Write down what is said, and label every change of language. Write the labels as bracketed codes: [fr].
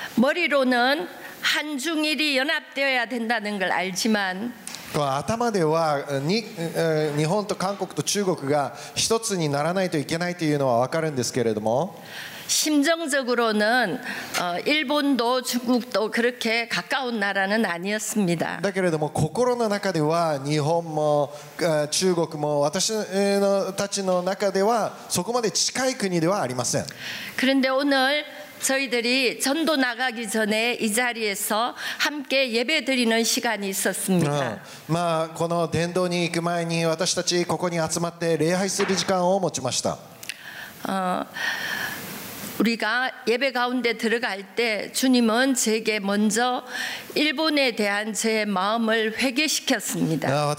[ko] 머리로는 한중일이 연합되어야 된다는 걸 알지만 [ja] 頭では日本と韓国と中国が一つにならないといけないというのはわかるんですけれども [ko] 심정적으로는 일본도 중국도 그렇게 가까운 나라는 아니었습니다. [ja] 心の中では日本も中国も私たちの中ではそこまで近い国ではありません。 [ko] 그런데 오늘 저희들이 전도 나가기 전에 이 자리에서 함께 예배 드리는 시간이 있었습니다. [ja] この伝道に行く前に私たちここに集まって礼拝する時間を持ちました。 [ko] 우리가 예배 가운데 들어갈 때 주님은 제게 먼저 일본에 대한 제 마음을 회개시켰습니다.